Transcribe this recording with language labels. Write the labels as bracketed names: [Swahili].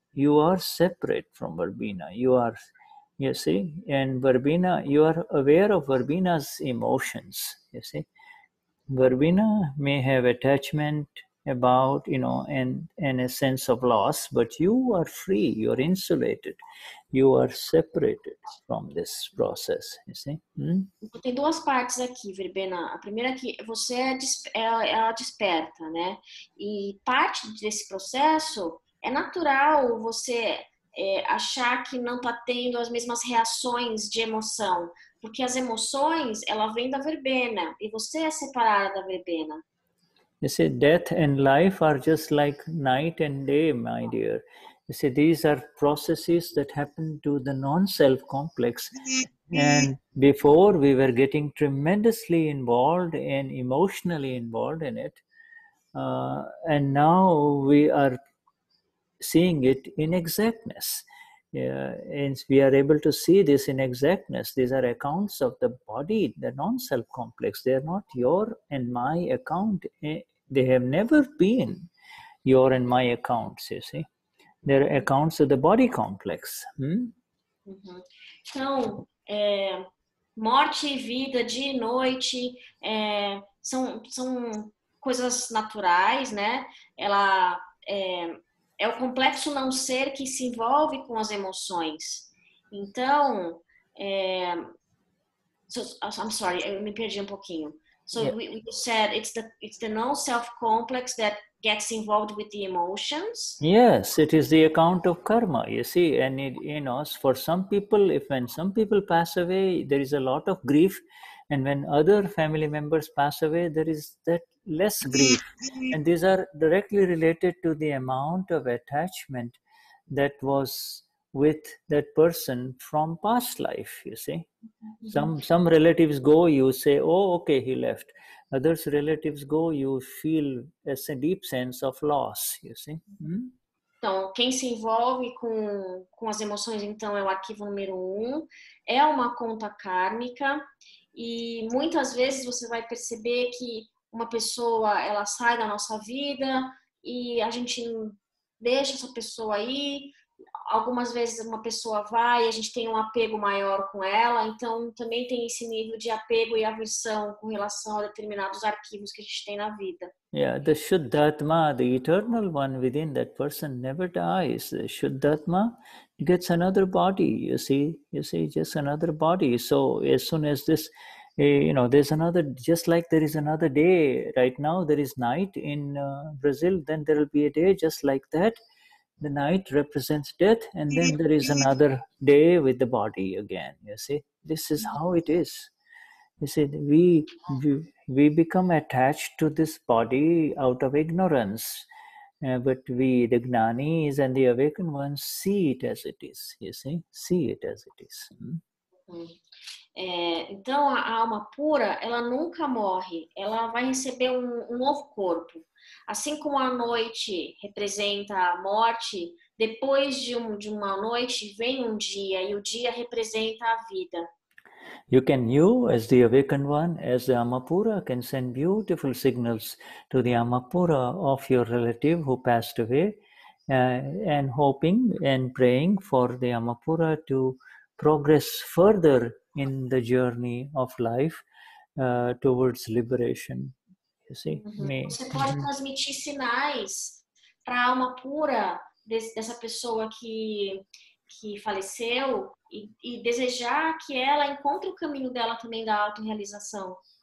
[English] You are separate from Verbena. You see, and Verbena, you are aware of Verbena's emotions, you see. Verbena may have attachment and a sense of loss, but you are free, you are insulated. You are separated from this process, you see. [Portuguese] Tem duas partes aqui, Verbena. A primeira é que você é desperta, né? E parte desse processo, é natural você achar que não está tendo as mesmas reações de emoção, porque as emoções, ela vem da Verbena, e você é separada da Verbena. [English] You see, death and life are just like night and day, my dear. You see, these are processes that happen to the non-self complex. And before, we were getting tremendously involved and emotionally involved in it. And now we are seeing it in exactness. Yeah, and we are able to see this in exactness. These are accounts of the body, the non-self complex. They are not your and my account. They have never been your and my accounts, you see. They are accounts of the body complex. [Portuguese] Então, morte e vida, dia e noite, são coisas naturais, né? Ela é o complexo não ser que se envolve com as emoções. Então, [English] I'm sorry, [Portuguese] eu me perdi um pouquinho. [English] So yeah. We said it's the non-self complex that gets involved with the emotions. Yes, it is the account of karma. You see, and it, you know, for some people, when some people pass away, there is a lot of grief, and when other family members pass away, there is that less grief. And these are directly related to the amount of attachment that was with that person from past life, you see. Mm-hmm. Some relatives go, you say, oh, okay, he left. Others relatives go, you feel a deep sense of loss, you see. [Portuguese] Então, quem se envolve com as emoções, então, é o arquivo número um. É uma conta kármica. E muitas vezes você vai perceber que uma pessoa, ela sai da nossa vida e a gente deixa essa pessoa aí. Algumas vezes uma pessoa vai e a gente tem um apego maior com ela. Então, também tem esse nível de apego e aversão com relação a determinados arquivos que a gente tem na vida. [English] Yeah, the Shuddhatma, the eternal one within that person never dies. The Shuddhatma gets another body, you see, just another body. So, as soon as this, you know, there's another, just like there is another day right now, there is night in Brazil, then there will be a day just like that. The night represents death, and then there is another day with the body again, you see. This is how it is. You see, we become attached to this body out of ignorance, but we, the Gnanis and the awakened ones, see it as it is, you see. See it as it is. [Portuguese] Então, a alma pura, ela nunca morre. Ela vai receber um novo corpo. Assim como a noite representa a morte, depois de uma noite vem um dia e o dia representa a vida. [English] You can, you as the awakened one, as the Amapura, can send beautiful signals to the Amapura of your relative who passed away, and hoping and praying for the Amapura to progress further in the journey of life towards liberation. [Portuguese] Você pode transmitir sinais para a alma pura dessa pessoa que faleceu e desejar que ela encontre o caminho dela também da auto-realização.